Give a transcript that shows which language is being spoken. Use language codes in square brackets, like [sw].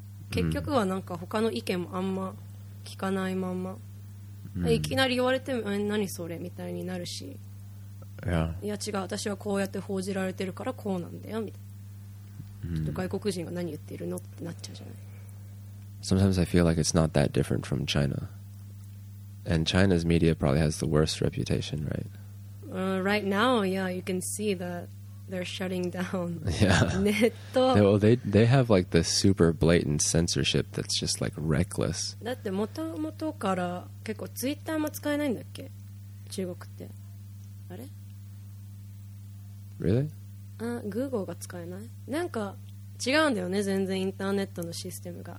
[ja] 結局はなんか他の意見もあんま聞かないまま。いきなり言われても何それみたいになるし、 [en] yeah. [ja] いや違う、私はこうやって報じられてるからこうなんだよみたいな、外国人が何言ってるのってなっちゃうじゃない。 [en] Sometimes I feel like it's not that different from China, and China's media probably has the worst reputation, right? Right now, yeah, you can see that they're shutting down. Yeah. they have like the super blatant censorship that's just like reckless. [ja] だってもともとから結構ツイッターも使えないんだっけ、中国って。あれ [en] Really? [ja] Google が使えない。なんか違うんだよね、全然インターネットのシステムが。